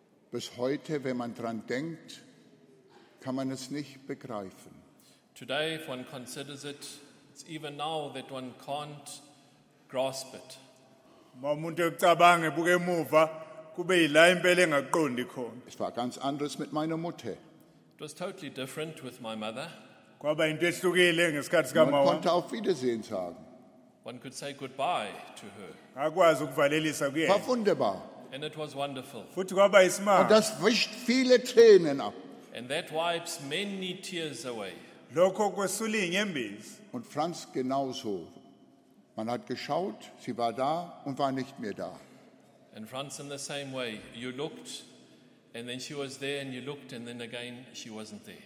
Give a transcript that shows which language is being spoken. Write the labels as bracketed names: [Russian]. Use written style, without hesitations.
[German] Bis heute, wenn man dran denkt, kann man es nicht begreifen. [English] Today, if one considers it, it's even now that one can't grasp it. [German] Es war ganz anders mit meiner Mutter. [English] It was totally different with my mother. [German] Man konnte auf Wiedersehen sagen. [English] One could say goodbye to her. [German] War wunderbar. [English] And it was wonderful. [German] Und das wischt viele Tränen ab. [English] And that wipes many tears away. [German] Und Franz genauso. Man hat geschaut, sie war da und war nicht mehr da. [English] And Franz in the same way. You looked and then she was there and you looked and then again she wasn't